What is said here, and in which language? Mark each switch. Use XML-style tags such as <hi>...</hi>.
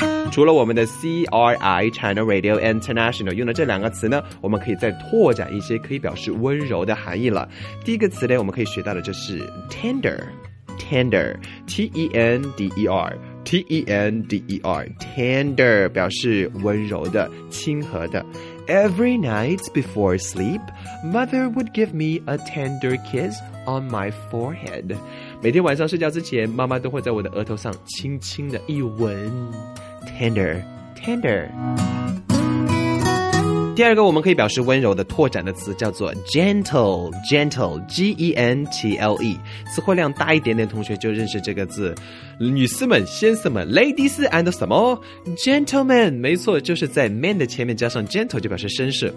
<zh>除了我们的 CRI China Radio International 用的这两个词呢，我们可以再拓展一些可以表示温柔的含义了。第一个词呢，我们可以学到的就是 tender T-E-N-D-E-R T-E-N-D-E-R tender 表示温柔的亲和的。</zh> <en>Every night before sleep Mother would give me a tender kiss on my forehead，</en> <zh>每天晚上睡觉之前妈妈都会在我的额头上轻轻的一吻。</zh> <en>Tender, tender.</en> <zh>第二个我们可以表示温柔的拓展的词叫做 gentle, gentle, G-E-N-T-L-E. 词汇量大一点点同学就认识这个字。女士们先生们</zh> <en>ladies and</en> <zh>什么 gentlemen， 没错，就是在 man 的前面加上 gentle 就表示绅士。</zh>